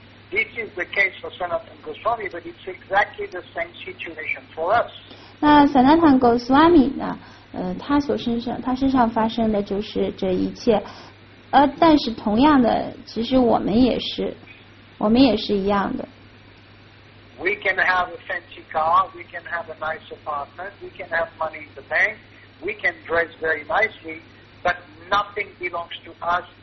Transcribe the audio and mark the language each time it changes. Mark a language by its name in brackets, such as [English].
[English] This is the case for Sanatana Goswami, but it's exactly the same situation for us. [Chinese] 那 Sanatana Goswami 呢？他所身上发生的就是这一切。但是同样的，其实我们也是一样的。 [English] We can have a fancy car, we can have a nice apartment, we can have money in the bank, we can dress very nicely, but nothing belongs to us.